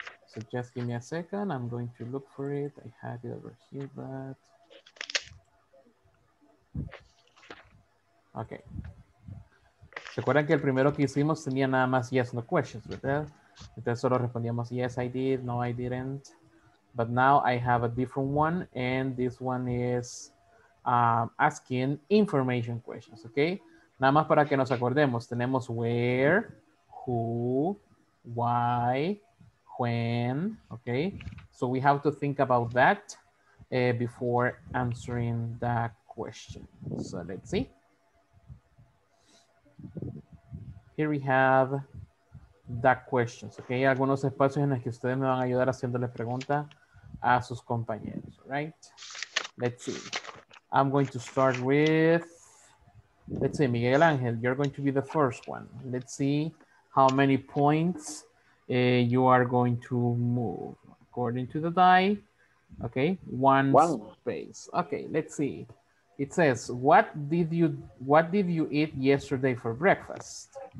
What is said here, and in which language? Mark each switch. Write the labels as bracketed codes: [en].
[en] So just give me a second. I'm going to look for it. I had it over here, but... Ok. [es] ¿Recuerdan que el primero que hicimos tenía nada más yes no questions, ¿verdad? Entonces solo respondíamos, [en] yes, I did, no, I didn't. But now I have a different one, and this one is asking information questions, okay? [es] Nada más para que nos acordemos, tenemos where, who, why, when, okay? [en] So we have to think about that before answering that question. So let's see. Here we have... that questions, ok. [es] Hay algunos espacios en los que ustedes me van a ayudar haciéndole preguntas a sus compañeros, right? [en] Let's see. I'm going to start with, let's see, Miguel Ángel, you're going to be the first one. Let's see how many points you are going to move according to the die. Ok, one space. Ok, let's see. It says, what did you eat yesterday for breakfast?